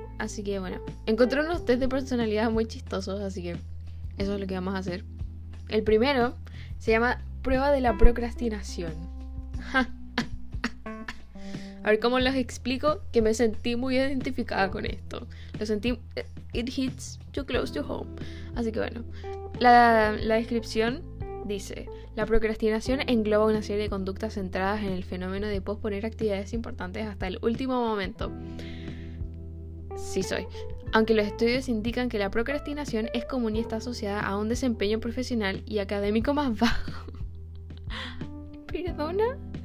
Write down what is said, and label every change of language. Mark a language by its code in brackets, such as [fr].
[es] Así que bueno, encontré unos test de personalidad muy chistosos, así que eso es lo que vamos a hacer. El primero se llama prueba de la procrastinación. A ver cómo les explico que me sentí muy identificada con esto. Lo sentí... [en] It hits too close to home. [es] Así que bueno. La descripción dice... La procrastinación engloba una serie de conductas centradas en el fenómeno de posponer actividades importantes hasta el último momento. Sí soy. Aunque los estudios indican que la procrastinación es común y está asociada a un desempeño profesional y académico más bajo. ¿Perdona?